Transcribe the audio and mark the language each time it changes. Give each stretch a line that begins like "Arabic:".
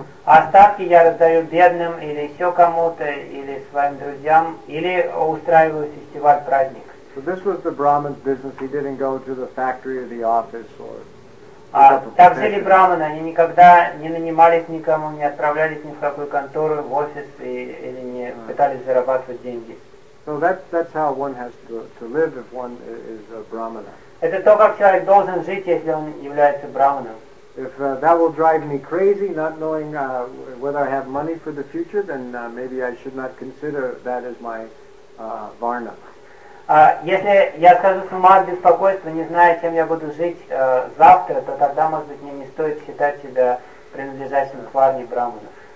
Russian: Остатки я раздаю бедным или еще кому-то или своим друзьям или устраиваю фестиваль праздник.
English: So this was the Brahman's business. He didn't go to the factory or the office or.
Russian: Так жили брахманы, они никогда не нанимались никому, не отправлялись ни в какую контору, в офис, и, или не пытались зарабатывать деньги.
English: So that's how one has to live if one is a brahmana.
Russian: Это то, как человек должен жить, если он является брахманом.
English: If that will drive me crazy, not knowing whether I have money for the future, then maybe I should not consider that as my varna.
Russian: Если я схожу с ума от беспокойства, не зная, чем я буду жить завтра, то тогда, может быть, мне не стоит считать себя принадлежащим к варне брахманов.